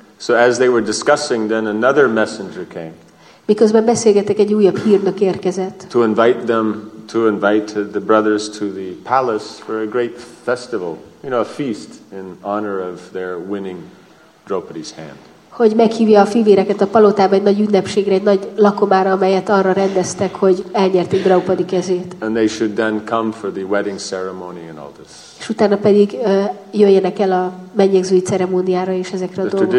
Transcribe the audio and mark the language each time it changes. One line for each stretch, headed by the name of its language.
English: So as they were discussing, then another messenger came.
Hungarian: Miközben beszélgettek, egy újabb hírnök érkezett.
English: To invite the brothers to the palace for a great festival, you know, a feast in honor of their winning Draupadi's hand.
Hungarian: Hogy meghívja a fivéreket a palotába egy nagy ünnepségre, egy nagy lakomára, amelyet arra rendeztek, hogy elnyerték Draupadi kezét.
English: And they should then come for the wedding ceremony and all this.
Hungarian: És utána pedig jöjjenek el a mennyegzői ceremóniára és ezekre a dolgokra.